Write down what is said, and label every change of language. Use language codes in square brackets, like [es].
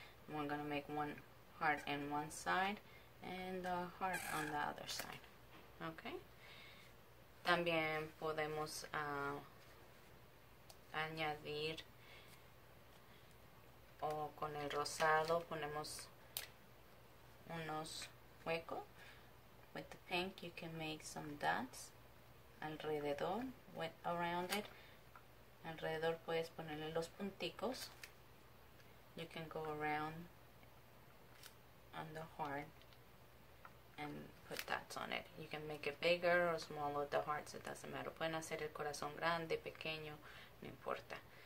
[en] I'm going to make one heart on one side and a heart on the other side. Okay. [es] También podemos añadir o con el rosado ponemos unos huecos. [en] With the pink, you can make some dots [es] alrededor, [en] around it. [es] Alrededor puedes ponerle los punticos. [en] You can go around on the heart and put dots on it. You can make it bigger or smaller, the hearts, it doesn't matter. [es] Pueden hacer el corazón grande, pequeño, no importa.